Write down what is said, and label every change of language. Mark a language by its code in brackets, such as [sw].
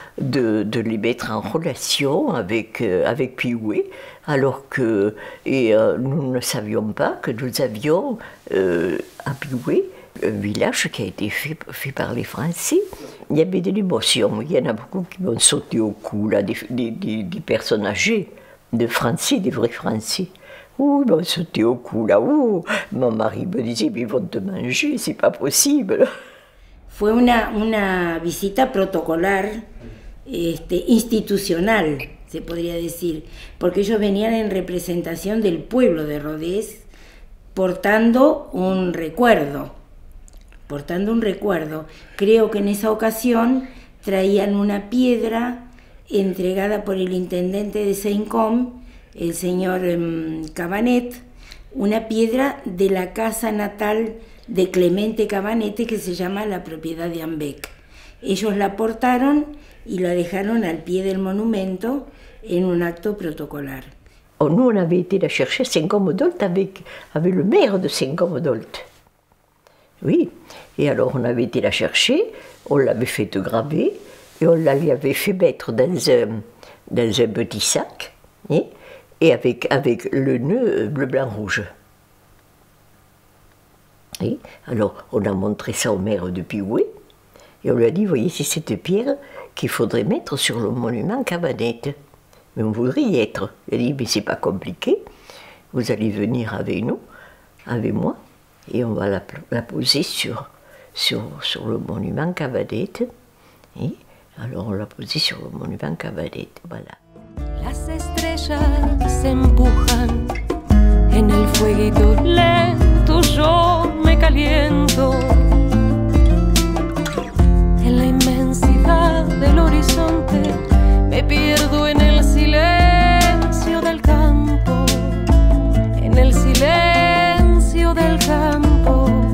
[fr] de les mettre en relation avec, avec Pigoué, alors que nous ne savions pas que nous avions à Pigoué un village qui a été fait par les Français. Il y avait de l'émotion, il y en a beaucoup qui m'ont sauté au cou, là, des personnes âgées, de Français, des vrais Français. Ouh, ils m'ont sauté au cou là-haut. Mon mari me disait, mais ils vont te manger, c'est pas possible. [es] Fue una visita protocolar, institucional, se podría decir, porque ellos venían en representación del pueblo de Rodés portando un recuerdo. Portando un recuerdo. Creo que en esa ocasión traían una piedra entregada por el intendente de Saint-Com, el señor Cabanet, una piedra de la casa natal de Clemente Cabanete, que se llama la propiedad de Ambec. Ellos la portaron y la dejaron al pie del monumento en un acto protocolar. [fr] Oh, nous, on avait été la chercher à Saint-Commodolte avec le maire de Saint-Commodolte. Oui, et alors on avait été la chercher, on l'avait fait graver et on l'avait fait mettre dans un petit sac et avec le nœud bleu, blanc, rouge. Et alors, on a montré ça au maire de Pigoué et on lui a dit, voyez, c'est cette pierre qu'il faudrait mettre sur le monument Cabanet. Mais on voudrait y être. Il a dit, mais c'est pas compliqué, vous allez venir avec nous, avec moi, et on va la poser sur le monument Cabanet. Et alors, on l'a posé sur le monument Cabanet, voilà. [es] Las estrellas se empujan en el fueguito lento, yo me caliento. En la inmensidad del horizonte me pierdo en el silencio del campo, en el silencio del campo.